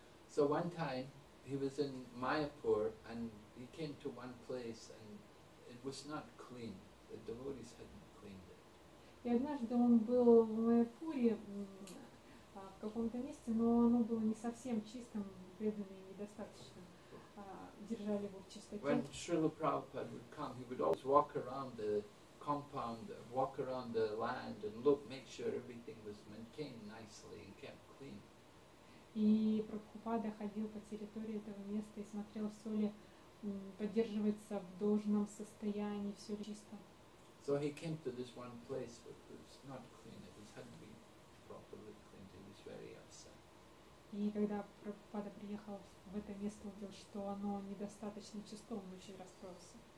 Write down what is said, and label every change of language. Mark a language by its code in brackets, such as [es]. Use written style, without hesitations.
[en] So one time he was in Mayapur and he came to one place and it was not clean. The devotees hadn't cleaned it. [ru] И однажды он был в Майяпуре в каком-то месте, но оно было не совсем чистым, преданные недостаточно держали его в чистоте. [en] When Srila Prabhupada would come, he would always walk around the compound, walk around the land and look, make sure everything was maintained nicely and kept clean. [ru] И Прабхупада ходил по территории этого места и смотрел, все ли поддерживается в должном состоянии, все ли чисто. [en] So he came to this one place, but it was not clean. It had to be properly cleaned. He was very upset. [ru] И когда Прабхупада приехал в это место, увидел, что оно недостаточно чисто, он очень расстроился.